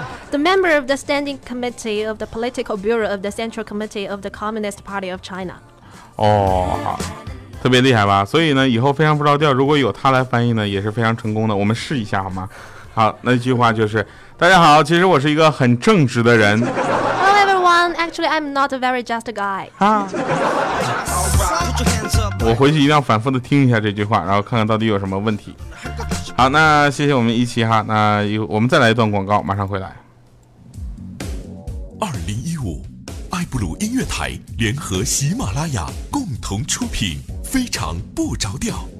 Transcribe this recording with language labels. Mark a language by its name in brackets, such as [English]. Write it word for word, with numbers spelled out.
[English] The member of the Standing Committee of the Political Bureau of the Central Committee of the Communist Party of China。 [Chinese] 哦，好，特别厉害吧？所以呢以后非常不着调如果有他来翻译呢也是非常成功的，我们试一下好吗？好，那句话就是大家好，其实我是一个很正直的人。 [English] Hello everyone, actually I'm not a very just guy、 [Chinese] 啊、我回去一定要反复的听一下这句话，然后看看到底有什么问题。好，那谢谢我们一期哈，那我们再来一段广告，马上回来。二零一五，爱布鲁音乐台联合喜马拉雅共同出品，非常不着调。